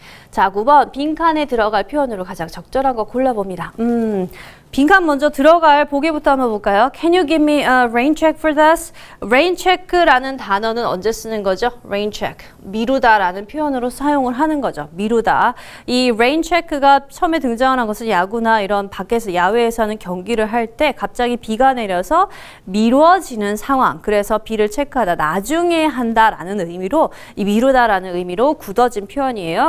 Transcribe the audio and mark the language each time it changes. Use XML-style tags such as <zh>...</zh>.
<ko>자, 9번 빈칸에 들어갈 표현으로 가장 적절한 거 골라봅니다. 빈칸 먼저 들어갈 보기부터 한번 볼까요?</ko> <en>Can you give me a rain check for this?</en> <ko>Rain check라는 단어는 언제 쓰는 거죠? Rain check. 미루다라는 표현으로 사용을 하는 거죠. 미루다. 이 rain check가 처음에 등장한 것은 야구나 이런 밖에서 야외에서 하는 경기를 할 때 갑자기 비가 내려서 미뤄지는 상황. 그래서 비를 체크하다 나중에 한다라는 의미로 이 미루다라는 의미로 굳어진 표현이에요.</ko>